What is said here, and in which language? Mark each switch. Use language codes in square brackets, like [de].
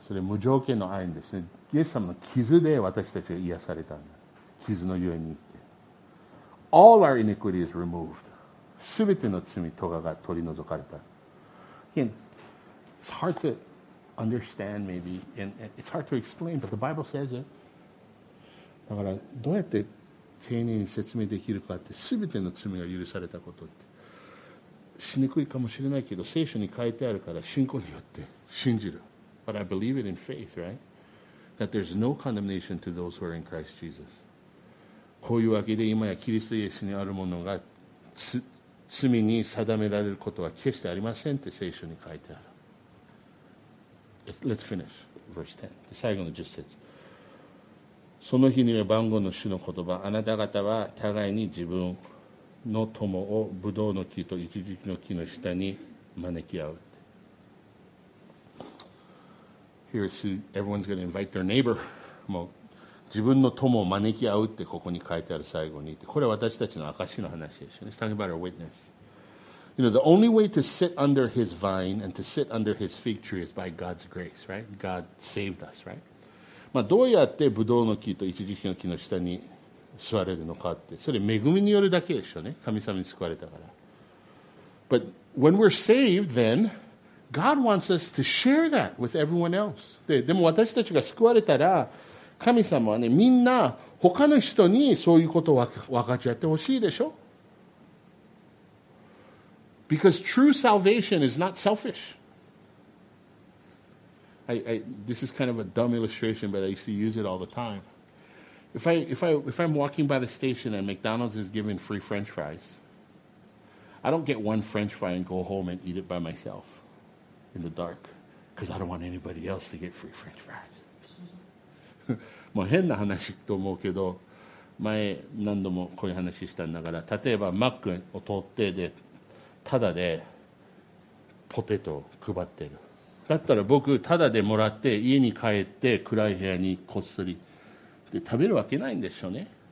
[ja] それ無条件の愛ですね。イエス様の傷で私たちが癒されたんだ。傷のゆえにって。 [en] All our iniquity is removed. [ja] 全ての罪とかが取り除かれた。 [en] It's hard to understand, maybe, and it's hard to explain, but the Bible says it. [ja] だからどうやって丁寧に説明できるかって、すべての罪が許されたことって、しにくいかもしれないけど、聖書に書いてあるから信仰によって信じる。 [en] But I believe it in faith, right? That there's no condemnation to those who are in Christ Jesus. [ja] こういうわけで今やキリストイエスにあるものが罪に定められることは決してありませんって聖書に書いてある。 [en] Let's finish verse 10. [ja] 最後の10節。その日には万軍の主の言葉、あなた方は互いに自分の友をブドウの木とイチジクの木の下に招き合う。 [en] Here's everyone's going to invite their neighbor. [ja] もう自分の友を招き合うってここに書いてある最後に。これは私たちの証の話ですよね。 [en] Talking about our witness. You know, the only way to sit under his vine and to sit under his fig tree is by God's grace, right? God saved us, right? [ja] まあ、どうやってブドウの木とイチジキの木の下に座れるのかって、それ恵みによるだけでしょうね。神様に救われたから。 [en] But when we're saved, then God wants us to share that with everyone else. [ja] でも私たちが救われたら、神様はね、みんな他の人にそういうことを分かち合ってほしいでしょ。 [en] Because true salvation is not selfish. This is kind of a dumb illustration, but I used to use it all the time. If I'm walking by the station and McDonald's is giving free French fries, I don't get one French fry and go home and eat it by myself in the dark because I don't want anybody else to get free French fries. [ja] もう変な話と思うけど、前何度もこういう話したんだから、例えばマックを通ってで、ただでポテトを配ってる。だったら僕ただでもらって家に帰って暗い部屋にこっそりで食べるわけないんでしょうね。